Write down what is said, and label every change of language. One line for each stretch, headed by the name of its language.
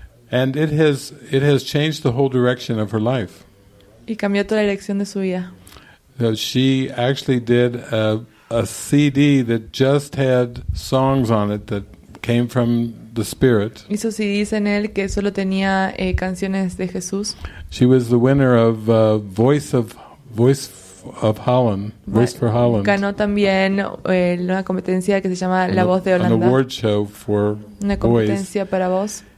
English: And it has changed the whole direction of her life.
Spanish: Y cambió toda la dirección de su vida.
English: So she actually did a CD that just had songs on it that came from the Spirit.
Spanish: Hizo CDs en él que solo tenía canciones de Jesús.
English: She was the winner of Voice of Holland, Voice for Holland.
Spanish: Ganó también una competencia que se llama La Voz de Holanda.
English: An award show for
Spanish: una competencia Para voz.